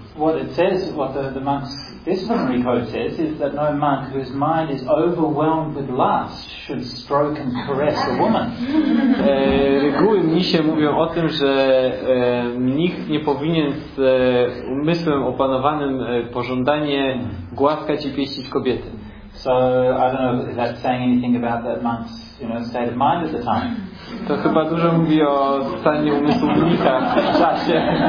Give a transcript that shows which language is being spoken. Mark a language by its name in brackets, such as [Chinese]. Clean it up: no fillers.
[English] What it says, what the monk's disciplinary code says, is that no monk whose mind is overwhelmed with lust should stroke and caress a woman. [Polish] Reguły mnisie mówią o tym, że mnich nie powinien z umysłem opanowanym pożądanie głaskać i pieścić kobiety. [English] So I don't know if that's saying anything about that monk's, you know, state of mind at the time. [Polish] To chyba dużo mówi o stanie umysłu mnicha w czasie.